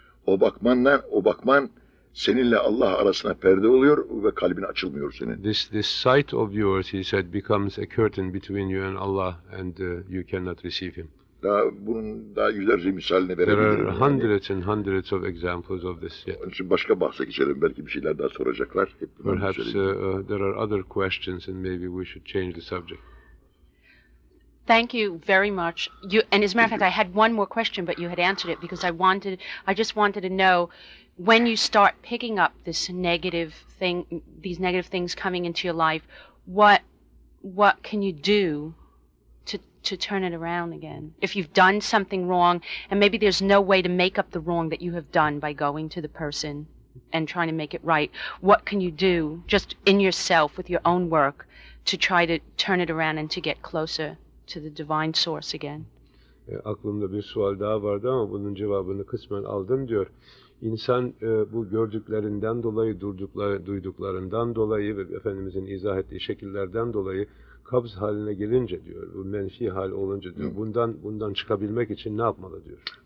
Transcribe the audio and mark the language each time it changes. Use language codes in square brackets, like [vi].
[tr] O bakman seninle Allah arasına perde oluyor ve kalbin açılmıyor senin. [en] This sight of yours, he said, becomes a curtain between you and Allah, and you cannot receive him. [tr] Daha bunun daha yüzlerce misalini verebilirim. [en] There are hundreds and hundreds of examples of this. Yeah. [tr] Onun için başka bahse geçelim, belki bir şeyler daha soracaklar. [en] Perhaps there are other questions and maybe we should change the subject. Thank you very much. And as a matter of fact, I had one more question, but you had answered it, because I just wanted to know, when you start picking up this negative thing, these negative things coming into your life, what can you do to turn it around again? If you've done something wrong, and maybe there's no way to make up the wrong that you have done by going to the person and trying to make it right, what can you do just in yourself with your own work to try to turn it around and to get closer to the divine source again? [tr] Aklımda bir sual daha vardı ama bunun cevabını kısmen aldım diyor. İnsan bu gördüklerinden dolayı, duyduklarından dolayı ve Efendimizin izah ettiği şekillerden dolayı kabz haline gelince diyor, bu menfi hal olunca diyor, bundan çıkabilmek için ne yapmalı diyor.